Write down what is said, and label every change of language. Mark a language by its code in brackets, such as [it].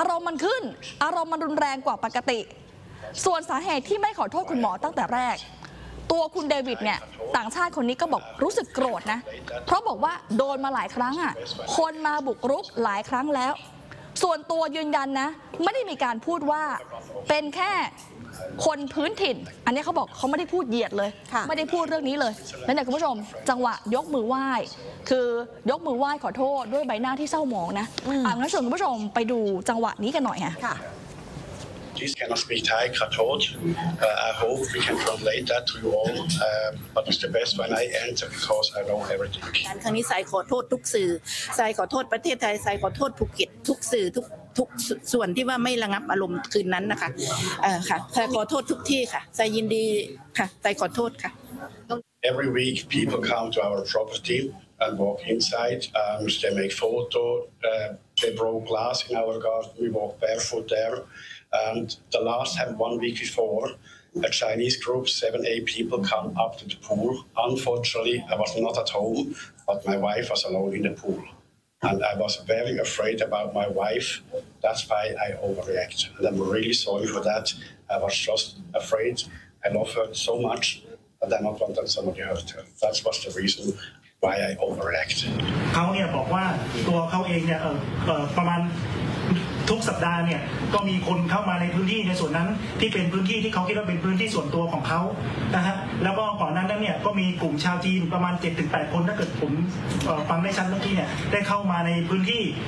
[th] ารมณ์มันขึ้นอารมณ์มันรุนแรงกว่าปกติส่วนสาเหตุที่ไม่ขอโทษคุณหมอตั้งแต่แรกตัวคุณเดวิดเนี่ยต่างชาติคนนี้ก็บอกรู้สึกโกรธนะเพราะบอกว่าโดนมาหลายครั้งอ่ะคนมาบุกรุกหลายครั้งแล้วส่วนตัวยืนยันนะไม่ได้มีการพูดว่าเป็นแค่คนพื้นถิ่นอันนี้เขาบอกเขาไม่ได้พูดเหยียดเลยไม่ได้พูดเรื่องนี้เลยนั่นแหละคุณผู้ชมจังหวะยกมือไหว้คือยกมือไหว้ขอโทษด้วยใบหน้าที่เศร้าหมองนะ อ่ านั้นชวนคุณผู้ชมไปดูจังหวะนี้กันหน่อยค่ะ [en] Please cannot speak Thai, [th] ขอโทษ [en] I hope we can translate that to you all but it's the best when I answer because I know everything [th] การครั้งนี้สายขอโทษทุกสื่อสายขอโทษประเทศไทยสายขอโทษภูเก็ตทุกสื่อทุกส่วนที่ว่าไม่ระงับอารมณ์คืนนั้นนะคะค่ะสายขอโทษทุกที่ค่ะสายยินดีค่ะสายขอโทษค่ะ [en] Every week people come to our propertyAnd walk inside. They make photo. They broke glass in our garden. We walk barefoot there. And the last time, 1 week before, a Chinese group, 7-8 people, come up to the pool. Unfortunately, I was not at home, but my wife was alone in the pool. And I was very afraid about my wife. That's why I overreacted. And I'm really sorry for that. I was just afraid. I love her so much, but I don't want that somebody hurt her. That was the reason. Why I overreact. [th] เขาเนี่ยบอกว่าตัวเขาเองเนี่ยประมาณทุกสัปดาห์เนี่ยก็มีคนเข้ามาในพื้นที่ในส่วนนั้นที่เป็นพื้นที่ที่เขาคิดว่าเป็นพื้นที่ส่วนตัวของเขานะฮะแล้วก็ก่อนนั้นเนี่ยก็มีกลุ่มชาวจีนประมาณ 7-8 คนถ้าเกิดผมฟังได้ชัดเมื่อกี้เนี่ยได้เข้ามาในพื้นที่